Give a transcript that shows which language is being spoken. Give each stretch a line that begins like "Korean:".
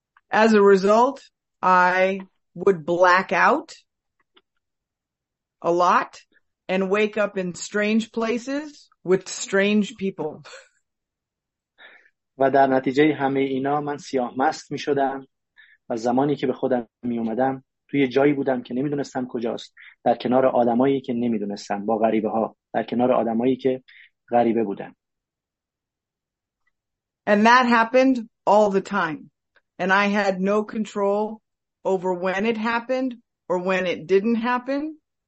English: As a result, I would black out a lot and wake up in strange places with strange people.
Persian: و در نتیجه همه اینا من سیاه مست می شدم و زمانی که به خودم می اومدم توی جایی بودم که نمی دونستم کجاست، در کنار آدمایی که نمی دونستم، با غریبه ها، در کنار آدمایی که غریبه بودم.
English: And that happened all the time. And I had no control over when it happened or when it didn't happen.